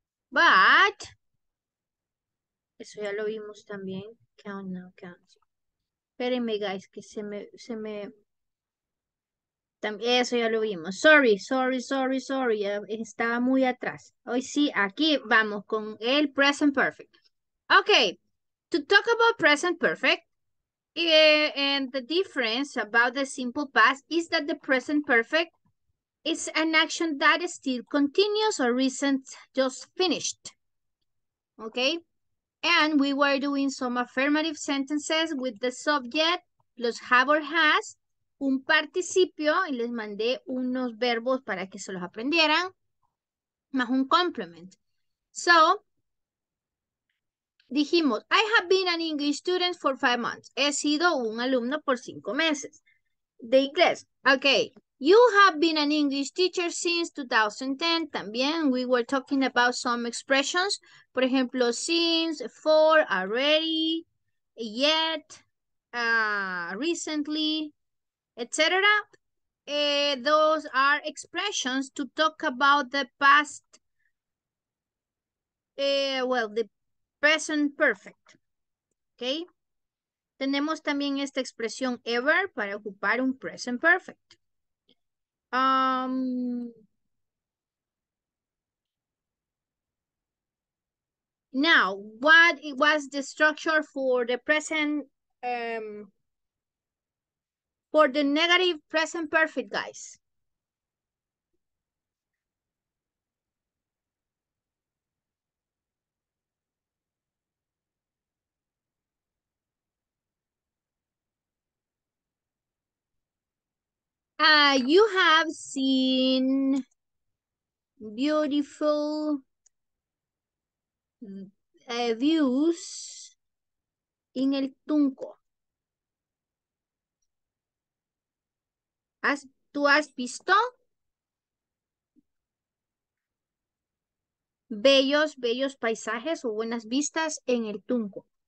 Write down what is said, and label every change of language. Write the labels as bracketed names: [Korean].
[Spanish] But, eso ya lo vimos también. [English] Count now, count. [Spanish] Espérenme, guys, que se me. Eso ya lo vimos. Sorry, ya estaba muy atrás. Hoy sí, aquí vamos con el present perfect. [English] Okay, to talk about present perfect, and the difference about the simple past is that the present perfect is an action that is still continuous or recent, just finished. Okay, and we were doing some affirmative sentences with the subject plus have or has. [Spanish] Un participio, y les mandé unos verbos para que se los aprendieran, más un complement. [English] So, dijimos, I have been an English student for 5 months. [Spanish] He sido un alumno por 5 meses de inglés. [English] Ok, you have been an English teacher since 2010. También, we were talking about some expressions. [Spanish] Por ejemplo, [English] since, for, already, yet, recently, etc. Those are expressions to talk about the past, well, the present perfect. Okay. [Spanish] Tenemos también esta expresión ever para ocupar un present perfect. [English] Now, what it was the structure for the present, for the negative present perfect, guys. You have seen beautiful views in el Tunco. [Spanish] ¿Tú has visto bellos, bellos paisajes o buenas vistas en el Tunco?